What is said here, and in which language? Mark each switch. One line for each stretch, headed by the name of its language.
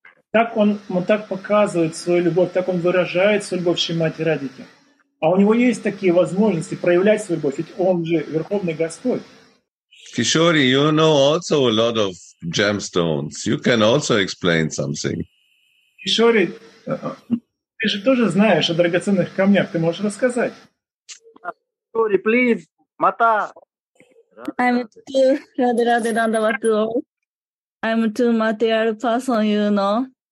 Russian: Так он показывает свою любовь, так он выражает свою любовь Шримати Радике. А у него есть такие возможности проявлять свою любовь, ведь он же Верховный Господь.
English: Kishori, you know also a lot of gemstones. You can also explain something.
Russian: Kishori, ты же тоже знаешь о драгоценных камнях. Ты можешь рассказать?
English: Kishori, please. Mata. I'm too Radhe Radhe Dandava to all. I'm too material person, you know.